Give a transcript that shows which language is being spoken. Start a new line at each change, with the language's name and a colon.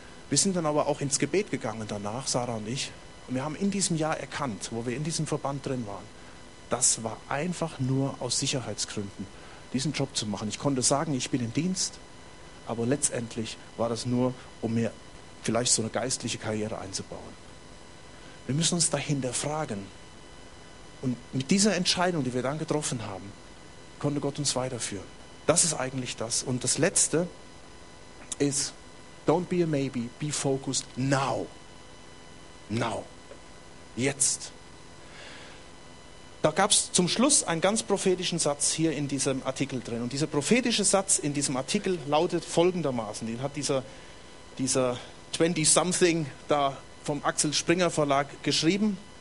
German: Wir sind dann aber auch ins Gebet gegangen danach, Sarah und ich. Und wir haben in diesem Jahr erkannt, wo wir in diesem Verband drin waren, das war einfach nur aus Sicherheitsgründen, diesen Job zu machen. Ich konnte sagen, ich bin im Dienst, aber letztendlich war das nur, um mir vielleicht so eine geistliche Karriere einzubauen. Wir müssen uns dahinter fragen, Und mit dieser Entscheidung, die wir dann getroffen haben, konnte Gott uns weiterführen. Das ist eigentlich das. Und das Letzte ist,
English: don't be a maybe, be focused now. Now.
German: Jetzt. Da gab es zum Schluss einen ganz prophetischen Satz hier in diesem Artikel drin. Und dieser prophetische Satz in diesem Artikel lautet folgendermaßen. Den hat dieser 20-something da vom Axel Springer Verlag geschrieben.